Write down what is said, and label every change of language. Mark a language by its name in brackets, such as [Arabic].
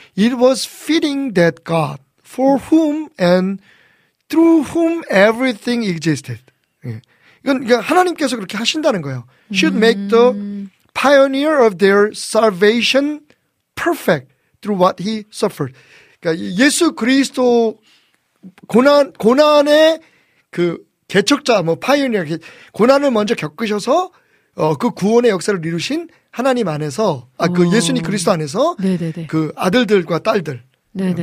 [English] It was fitting that God for whom and through whom everything existed. [Korean] 네. 이건 하나님께서 그렇게 하신다는 거예요. [English] Should make the pioneer of their salvation perfect through what he suffered. [Korean] 그러니까 예수 그리스도 고난의 그 개척자, 뭐 파이오니어, 고난을 먼저 겪으셔서 그 구원의 역사를 이루신 하나님 안에서 그 예수님 그리스도 안에서 네네네. 그 아들들과 딸들 네네네.